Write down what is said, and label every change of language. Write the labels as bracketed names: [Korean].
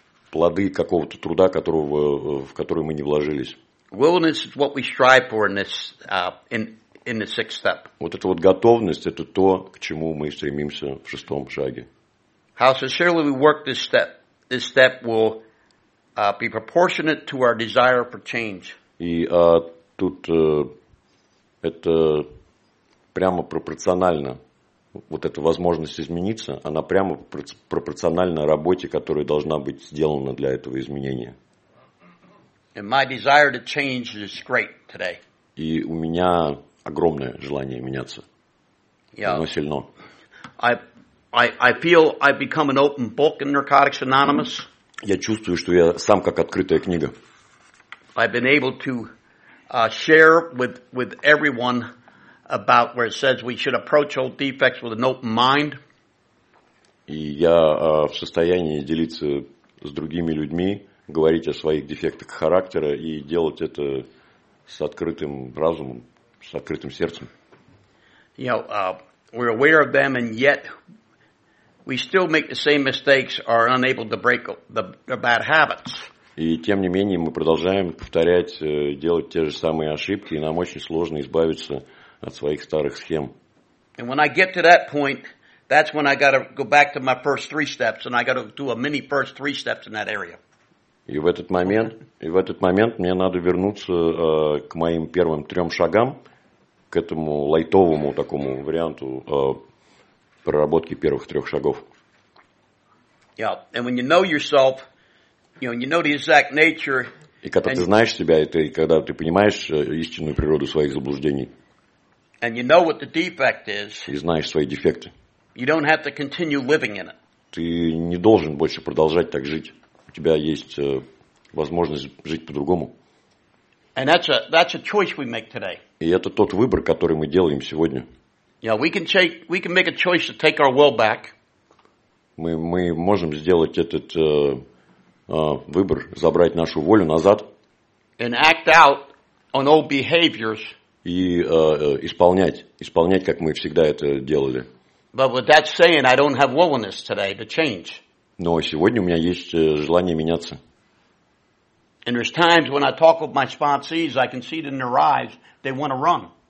[Russian] Плоды какого-то труда, которого, в который мы не вложились. [English] Willingness is what we strive for in this, in the sixth step. [Russian] Вот эта вот готовность, это то, к чему мы стремимся в шестом шаге. [English] How sincerely we work this step. This step will be proportionate to our desire for change. [Russian] И тут это прямо пропорционально, вот эта возможность измениться, она прямо пропорциональна работе, которая должна быть сделана для этого изменения. [English] And my desire to change is great today. [Russian] И у меня огромное желание меняться. [English] Yeah. [Russian] Оно сильно. [English] I feel I've become an open book in Narcotics Anonymous. [Russian] Я чувствую, что я сам как открытая книга. [English] I've been able to share with everyone about where it says we should approach old defects with an open mind. [Russian] И я в состоянии делиться с другими людьми, говорить о своих дефектах характера и делать это с открытым разумом, с открытым сердцем. [English] You know, we're aware of them, and yet we still make the same mistakes or are unable to break the bad habits. [Russian] И тем не менее мы продолжаем повторять, делать те же самые ошибки, и нам очень сложно избавиться от своих старых схем. [English] And when I get to that point, that's when I got to go back to my first three steps, and I got to do a mini first three steps in that area. [Russian] И в этот момент, мне надо вернуться к моим первым трем шагам, к этому лайтовому такому варианту проработки первых трех шагов. [English] Yeah, and when you know yourself, you know, you know the exact nature. [Russian] И когда ты знаешь себя, и когда ты понимаешь истинную природу своих заблуждений. [English] And you know what the defect is. [Russian] И знаешь свои дефекты. [English] You don't have to continue living in it. [Russian] Ты не должен больше продолжать так жить. У тебя есть возможность жить по-другому. [English] And that's a choice we make today. [Russian] И это тот выбор, который мы делаем сегодня. [English] Yeah, we can make a choice to take our will back. [Russian] Мы можем сделать этот выбор, забрать нашу волю назад. [English] And act out on old behaviors. [Russian] И исполнять, как мы всегда это делали. [English] But with that saying, I don't have willingness today to change. [Russian] Но сегодня у меня есть желание меняться. [English] And there's times when I talk with my sponsees, I can see it in their eyes, they want to run.